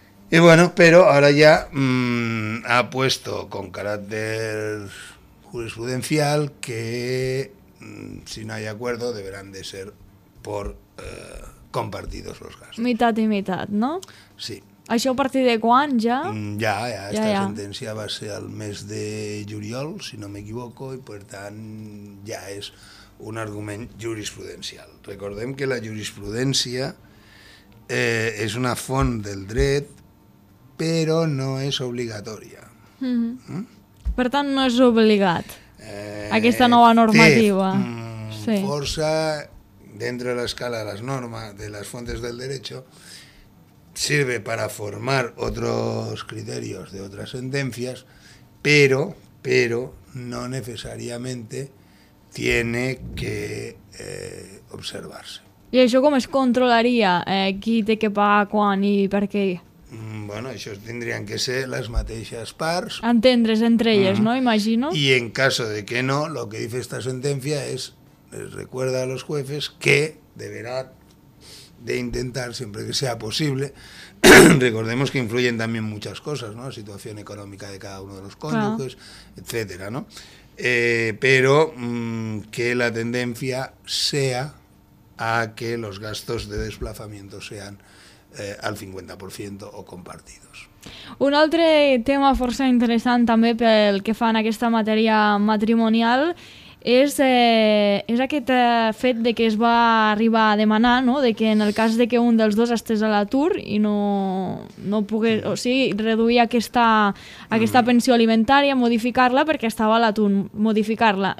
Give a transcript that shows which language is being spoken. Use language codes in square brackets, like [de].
[es] Y bueno, pero ahora ya ha puesto con carácter jurisprudencial que si no hay acuerdo deberán de ser por compartidos los gastos. Mitad y mitad, ¿no? Sí. [ca] ¿Això a partir de quan ja? Ja, sentència va ser al mes de juliol, si no m'equivoco, i per tant ja és un argument jurisprudencial. Recordem que la jurisprudència és una font del dret, però no és obligatòria. Per tant, no és obligat aquesta nova normativa. Té força [es] dentro de la escala de las normas, de las fuentes del derecho, sirve para formar otros criterios de otras sentencias, pero no necesariamente tiene que observarse. [ca] ¿Y això com es controlaria? Qui té que pagar quan i per què? Bueno, això tindrien que ser les mateixes parts. Entendre's entre elles, no? Imagino. [es] I en caso de que no, lo que dice esta sentencia es, les recuerda a los jueces que deberá de intentar, siempre que sea posible, recordemos que influyen también muchas cosas, ¿no? La situación económica de cada uno de los cónyuges, claro, etcétera, ¿no? Pero que la tendencia sea a que los gastos de desplazamiento sean al 50% o compartidos. [ca] Un altre tema força interessant també pel que fa en aquesta matèria matrimonial és aquest fet de que es va arribar a demanar, no?, de que en el cas de que un dels dos estés a l'atur i no pogués, o sigui, reduir aquesta pensió alimentària, modificar-la perquè estava a l'atur, modificar-la.